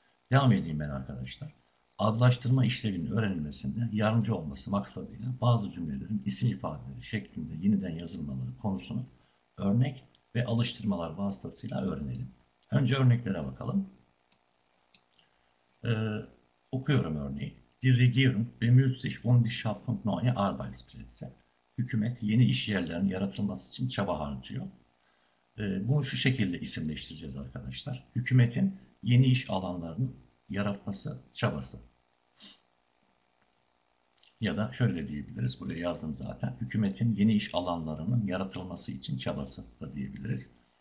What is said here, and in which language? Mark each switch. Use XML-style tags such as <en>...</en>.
<tr>Devam edeyim ben arkadaşlar. Adlaştırma işleminin öğrenilmesinde yardımcı olması maksadıyla bazı cümlelerin isim ifadeleri şeklinde yeniden yazılmaları konusunu örnek ve alıştırmalar vasıtasıyla öğrenelim. Önce örneklere bakalım. Okuyorum örneği.</tr> <de>Die Regierung bemüht sich um die Schaffung neuer Arbeitsplätze.</de> <tr>Hükümet yeni iş yerlerinin yaratılması için çaba harcıyor. Bunu şu şekilde isimleştireceğiz arkadaşlar. Hükümetin yeni iş alanlarının yaratması çabası. Ya da şöyle de diyebiliriz. Buraya yazdım zaten. Hükümetin yeni iş alanlarının yaratılması için çabası da diyebiliriz.</tr>